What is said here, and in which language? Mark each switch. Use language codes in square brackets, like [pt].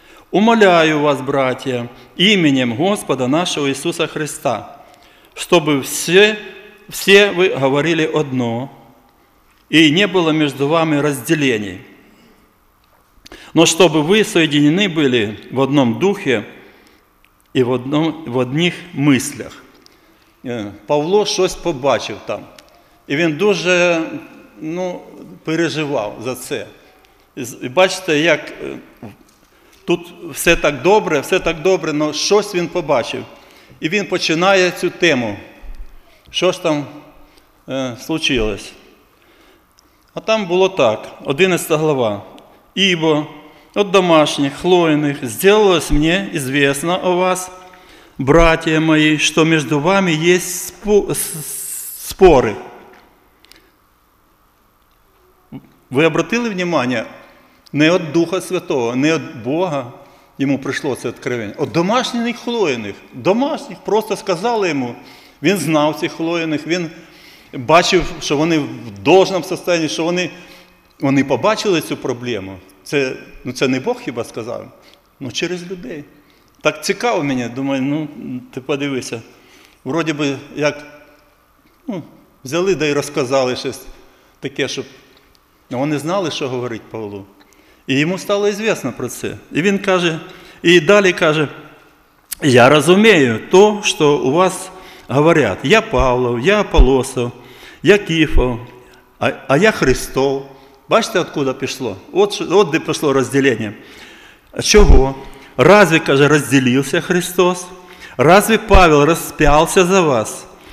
[ru] Умоляю вас, братья, именем Господа нашего Иисуса Христа, чтобы все вы говорили одно, и не было между вами разделений. Но чтобы вы соединены были в одном духе и в одних мыслях. [uk] Павло щось побачив там. І він дуже переживав за це. І бачите, як тут все так добре, але щось він побачив. І він починає цю тему. Що ж там случилось? А там було так. 11 глава. [ru] «Ібо от домашних, хлоїних, сделалось мне известно о вас, братья мои, что между вами есть споры». Вы обратили внимание? Не от Духа Святого, не от Бога ему пришло это откровение. От домашних хлоїних. Домашних просто сказали ему. [uk] Він знав цих хлоїних, він бачив, що вони [ru] в должном состоянии, [uk] що вони побачили цю проблему. Це не Бог хіба сказав, через людей. Так цікаво мені, думаю, ти подивися. Вроді би як взяли, і розказали щось таке, щоб вони знали, що говорить Павло. І йому стало звісно про це. І він каже, і далі каже, я розумію то, що у вас говорять. Я Павлов, я Аполосов, я Кіфов, а я Христов. Бачите, откуда пішло? От де пішло розділення. Чого? Разве, каже, розділився Христос? Разве Павел розп'явся за вас?